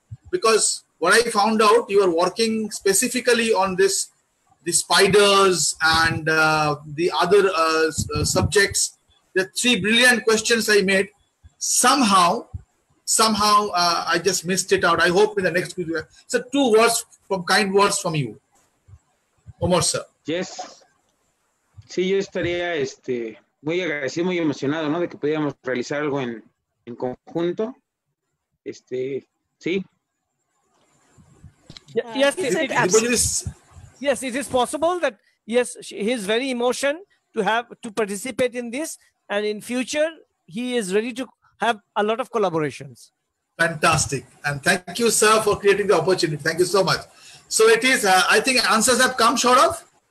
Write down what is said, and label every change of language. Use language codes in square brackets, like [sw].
[en] Because what I found out, you are working specifically on this, the spiders and the other subjects. The three brilliant questions I made, somehow, I just missed it out. I hope in the next video. So two words, from kind words from you, Omar sir. Yes. [es] Sí, yo estaría muy agradecido, muy emocionado, ¿no? De que pudiéramos realizar algo en conjunto. Sí. [en] Yes, it is possible that, yes, he is very emotion to have to participate in this. And in future, he is ready to have a lot of collaborations. Fantastic. And thank you, sir, for creating the opportunity. Thank you so much. So it is, I think answers have come, Shorav.